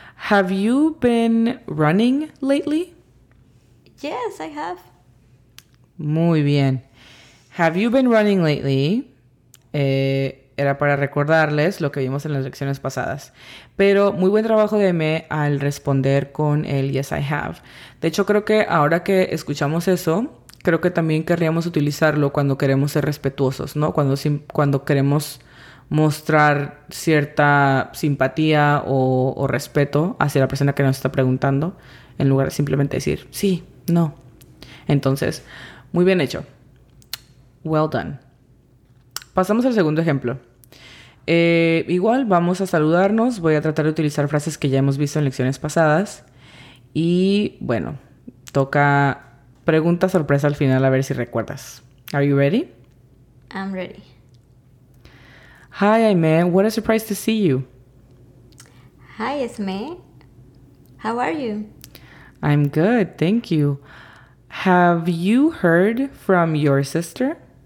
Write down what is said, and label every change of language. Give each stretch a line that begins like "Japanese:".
English: Have you been running lately? Yes, I have.
Spanish: Muy bien.
English: Have you been running lately?
Spanish: Era para recordarles lo que vimos en las lecciones pasadas. Pero muy buen trabajo de Esme al responder con el
English: yes, I have.
Spanish: De hecho, creo que ahora que escuchamos eso, creo que también querríamos utilizarlo cuando queremos ser respetuosos, ¿no? Cuando queremos... mostrar cierta simpatía o respeto hacia la persona que nos está preguntando, en lugar de simplemente decir sí, no. Entonces, muy bien hecho.
English: Well done.
Spanish: Pasamos al segundo ejemplo. Igual vamos a saludarnos. Voy a tratar de utilizar frases que ya hemos visto en lecciones pasadas. Y bueno, toca pregunta sorpresa al final a ver si recuerdas.
English: Are you ready? I'm ready. Hi, Aimee. What a surprise to see you. Hi, Esmee. How are you? I'm good, thank you. Have you heard from your sister?